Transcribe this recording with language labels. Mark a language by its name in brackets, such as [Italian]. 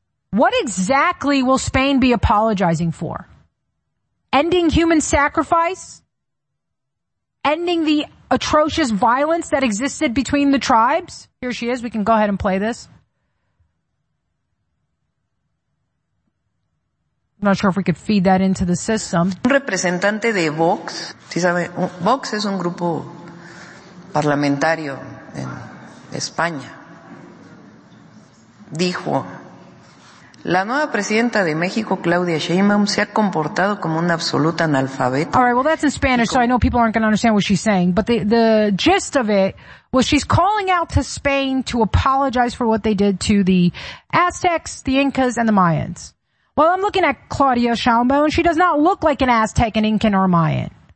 [English] What exactly will Spain be apologizing for? Ending human sacrifice? Ending the atrocious violence that existed between the tribes? Here she is. We can go ahead and play this. I'm not sure if we could feed that into the system. [Spanish] Un representante de Vox, ¿sí sabe? Vox es un grupo parlamentario en España. Dijo, La nueva presidenta de México, Claudia Sheinbaum, se ha comportado como una absoluta analfabeta. [English] All right, well, that's in Spanish, so I know people aren't going to understand what she's saying. But the gist of it was she's calling out to Spain to apologize for what they did to the Aztecs, the Incas, and the Mayans. Well, I'm looking at Claudia Sheinbaum. She does not look like an Aztec, an Incan, or a Mayan.